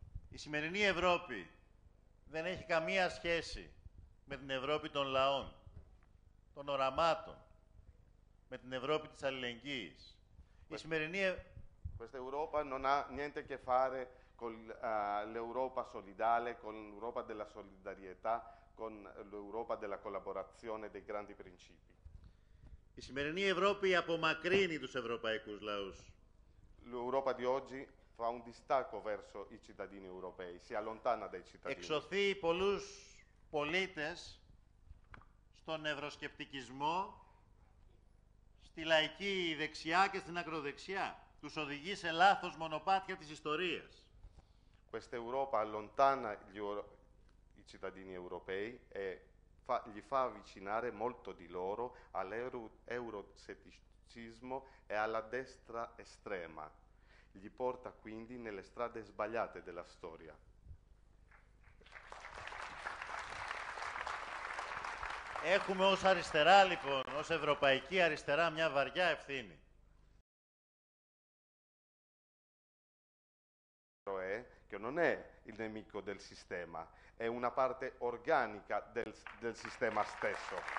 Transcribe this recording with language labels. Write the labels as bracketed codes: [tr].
[el] Η σημερινή Ευρώπη δεν έχει καμία σχέση με την Ευρώπη των λαών, των οραμάτων, με την Ευρώπη της αλληλεγγύης. [it] Questa Europa non ha niente a che fare con l'Europa solidale, con l'Europa della solidarietà, con l'Europa della collaborazione, dei grandi principi. [el] Η σημερινή Ευρώπη απομακρύνει τους ευρωπαϊκούς λαούς. [it] L'Europa di oggi fa un distacco verso i cittadini europei, si allontana dai cittadini. [el] Εξωθεί πολλούς πολίτες στον ευρωσκεπτικισμό, στη λαϊκή δεξιά και στην ακροδεξιά. τους οδηγεί σε λάθος μονοπάτια της ιστορίας. [it] Questa Europa allontana i cittadini europei e gli fa avvicinare molto di loro all'euroscetticismo e alla destra estrema. Gli porta quindi nelle strade sbagliate della storia. [el] Έχουμε ως αριστερά, λοιπόν, ως ευρωπαϊκή αριστερά, μια βαριά ευθύνη. [it] Ε, che non è il nemico del sistema, è una parte organica del sistema stesso.